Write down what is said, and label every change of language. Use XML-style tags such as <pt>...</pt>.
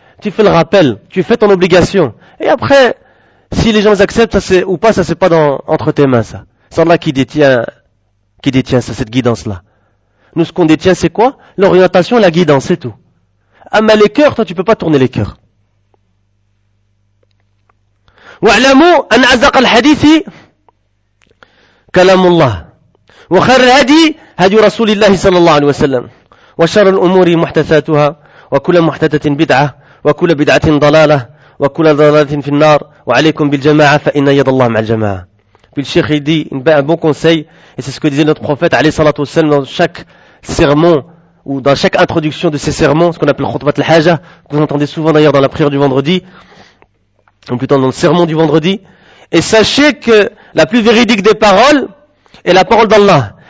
<fr>Tu fais le rappel, tu fais ton obligation. Et après, si les gens acceptent ça c'est, ou pas, ça c'est pas dans, entre tes mains, ça. C'est Allah qui détient ça, cette guidance-là. Nous, ce qu'on détient, c'est quoi? L'orientation, la guidance, c'est tout. Ah, mais les cœurs, toi, tu peux pas tourner les cœurs.</fr> <ar>واعلموا ان ازق الحديث كلام الله وخير الهدي هدي رسول الله صلى الله عليه وسلم وشر الامور محدثاتها وكل محدثه بدعه وكل بدعه ضلاله وكل ضلاله في النار وعليكم بالجماعه فان يد الله مع الجماعه.</ar> <fr>بالشيخ يدي ان بون كونسيل et c'est ce que disait notre prophète</fr> <ar>عليه الصلاه والسلام</ar> <fr>dans chaque sermon ou dans chaque introduction de ses sermons, ce qu'on appelle khutbat al-haja, que vous entendez souvent d'ailleurs dans la prière du vendredi, ou plutôt dans le serment du vendredi. Et sachez que la plus véridique des paroles est la parole d'Allah.</fr>